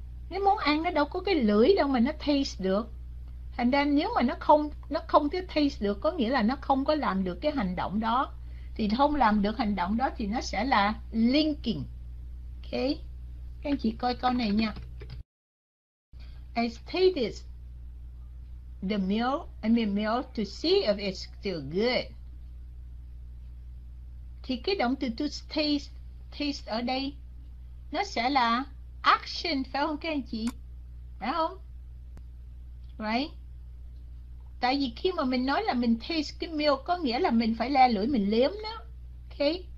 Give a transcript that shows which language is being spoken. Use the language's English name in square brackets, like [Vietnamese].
[Vietnamese] Cái món ăn nó đâu có cái lưỡi đâu mà nó taste được. Thành ra nếu mà nó không thể taste được, có nghĩa là nó không có làm được cái hành động đó. Thì không làm được hành động đó thì nó sẽ là linking. Ok. Các anh chị coi câu này nha. [English] I tasted the milk to see if it's still good. [Vietnamese] Thì cái động từ to taste ở đây nó sẽ là action, phải không các anh chị? Phải không? [English] Right? [Vietnamese] Tại vì khi mà mình nói là mình taste cái milk có nghĩa là mình phải le lưỡi mình liếm nó. Ok?